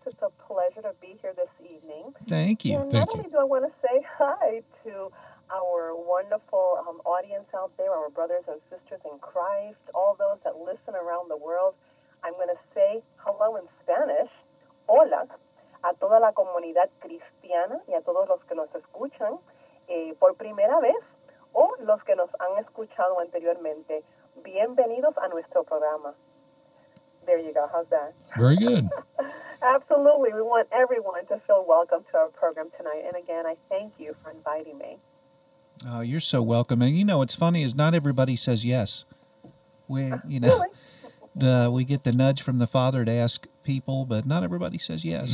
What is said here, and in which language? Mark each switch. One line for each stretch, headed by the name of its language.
English: It's a pleasure to be here this evening. Thank you. And not only do I want to say hi to our wonderful audience out there, our brothers and sisters in Christ, all those that listen around the world, I'm going to say hello in Spanish.
Spanish: Hola. A toda la comunidad cristiana y a todos los que nos escuchan por primera vez o los que nos han escuchado anteriormente, bienvenidos a nuestro programa.
English: There you go. How's that? Very good. Absolutely. We want everyone to feel welcome to our program tonight. And again, I thank you for inviting me. Oh, you're so welcome. And you know, what's funny is not everybody says yes. We get the nudge from the Father to ask people, but not everybody says yes.